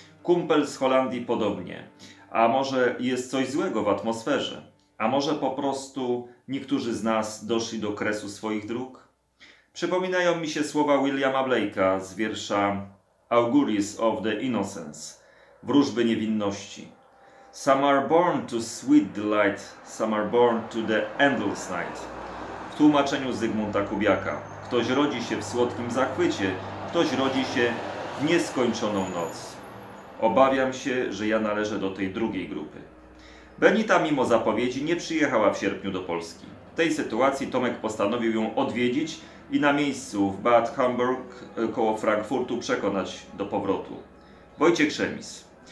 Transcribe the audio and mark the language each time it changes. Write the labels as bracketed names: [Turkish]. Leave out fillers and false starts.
[Polish] Kumpel z Holandii podobnie. A może jest coś złego w atmosferze? A może po prostu niektórzy z nas doszli do kresu swoich dróg? Przypominają mi się słowa Williama Blake'a z wiersza Auguries of the Innocence, Wróżby niewinności. [English] Some are born to sweet delight, some are born to the endless night. [Polish] W tłumaczeniu Zygmunta Kubiaka. Ktoś rodzi się w słodkim zachwycie, ktoś rodzi się w nieskończoną noc. Obawiam się, że ja należę do tej drugiej grupy. Benita mimo zapowiedzi nie przyjechała w sierpniu do Polski. W tej sytuacji Tomek postanowił ją odwiedzić i na miejscu w Bad Homburg koło Frankfurtu przekonać do powrotu. Wojciech Szemis.